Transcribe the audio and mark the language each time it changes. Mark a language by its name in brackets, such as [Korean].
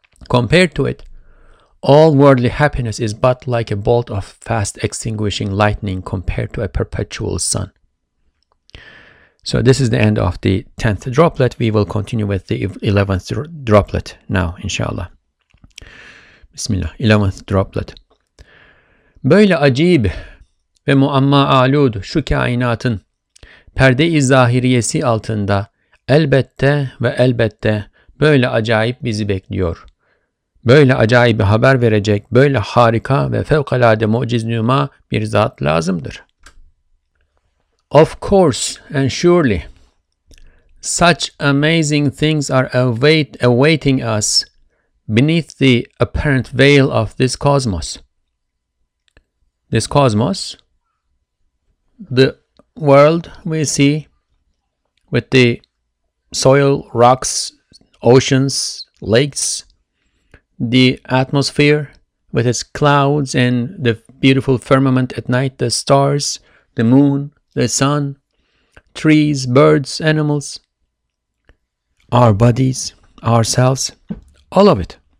[English] Compared to it, all worldly happiness is but like a bolt of fast extinguishing lightning compared to a perpetual sun. So this is the end of the 10th droplet. We will continue with the 11th droplet now, inshallah. Bismillah, 11th droplet. [Turkish] Böyle acib ve muamma alud şu kainatın perde-i zahiriyesi altında elbette ve elbette böyle acayip bizi bekliyor. Böyle acayip bir haber verecek, böyle harika ve fevkalade mucizenuma bir zat lazımdır. [English] Of course and surely, such amazing things are awaiting us beneath the apparent veil of this cosmos. This cosmos, the world we see with the soil, rocks, oceans, lakes, the atmosphere with its clouds and the beautiful firmament at night, the stars, the moon, the sun, trees, birds, animals, our bodies, ourselves, all of it.